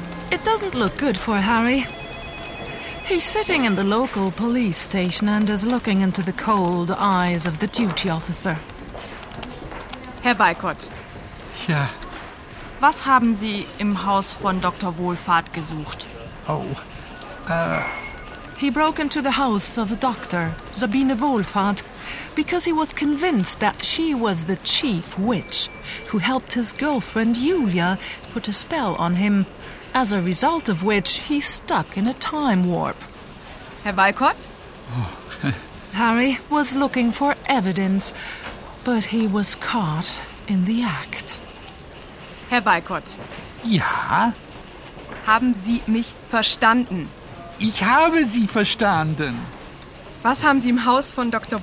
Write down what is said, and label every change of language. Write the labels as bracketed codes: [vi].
[en] It doesn't look good for Harry. He's sitting in the local police station and is looking into the cold eyes of the duty officer. [de] Herr Weikott. Ja. Was haben Sie im Haus von Dr. Wohlfahrt gesucht? [en] He broke into the house of a doctor, Sabine Wohlfahrt, because he was convinced that she was the chief witch who helped his girlfriend Julia put a spell on him, as a result of which he stuck in a time warp. [de] Herr Weikott? [en] Harry was looking for evidence, but he was caught in the act. [de] Herr Weikott? Ja? Haben Sie mich verstanden? Ich habe Sie verstanden. Was haben Sie im Haus von Dr.